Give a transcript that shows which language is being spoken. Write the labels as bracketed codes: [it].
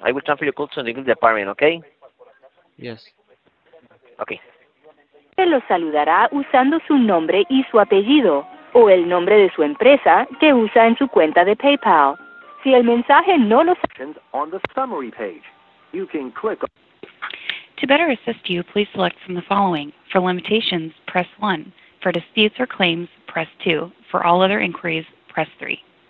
[en] I will transfer your call to the English department, okay? Yes. Okay. [es] Se lo saludará usando su nombre y su apellido, o el nombre de su empresa que usa en su cuenta de PayPal. Si el mensaje no lo [en] On the summary page. You can click To better assist you, please select from the following. For limitations, press 1. For disputes or claims, press 2. For all other inquiries, press 3.